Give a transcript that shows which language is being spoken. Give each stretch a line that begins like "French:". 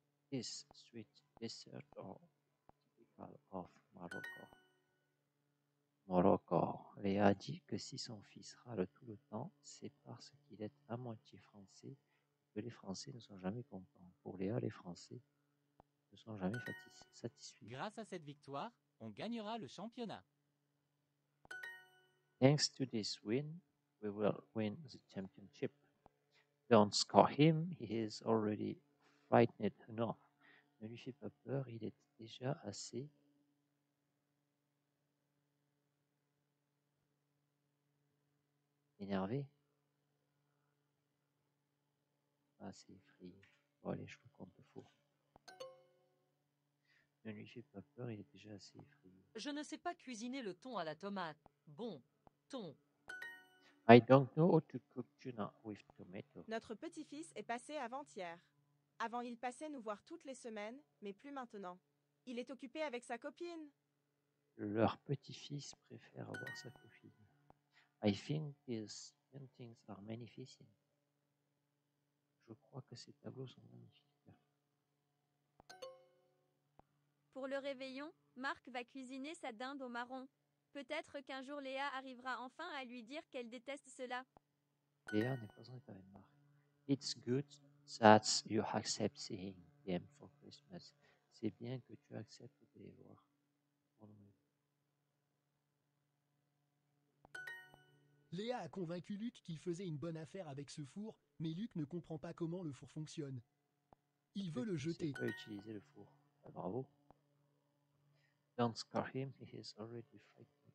English: This sweet dessert are typical of Morocco. Morocco.
French: Léa dit que si son fils râle tout le temps, c'est parce qu'il est à moitié français et que les Français ne sont jamais contents. Pour Léa, les Français ne sont jamais satisfaits. Grâce à cette victoire, on gagnera le championnat.
English: Thanks to this win, we will win the championship. Don't scare him, he is already frightened enough.
French: Ne lui fais pas peur, il est déjà assez. Énervé. Assez effrayé. Bon, allez, je le compte faux. Ne lui fais pas peur, il est déjà assez effrayé. Je ne sais pas cuisiner le thon à la tomate. Bon, thon.
English: I don't know how to cook tuna with tomato.
French: Notre petit-fils est passé avant-hier. Avant, il passait nous voir toutes les semaines, mais plus maintenant. Il est occupé avec sa copine. Leur petit-fils préfère avoir sa copine.
English: I think these paintings are magnificent.
French: Je crois que ces tableaux sont magnifiques. Pour le réveillon, Marc va cuisiner sa dinde au marron. Peut-être qu'un jour Léa arrivera enfin à lui dire qu'elle déteste cela. Léa n'est pas en état avec Marc.
English: It's good that you accept seeing them for Christmas.
French: C'est bien que tu acceptes de les voir. Léa a convaincu Luc qu'il faisait une bonne affaire avec ce four, mais Luc ne comprend pas comment le four fonctionne. Il veut le jeter. Il ne sait pas utiliser le four. Bravo.
English: Don't scare him, he is already frightened.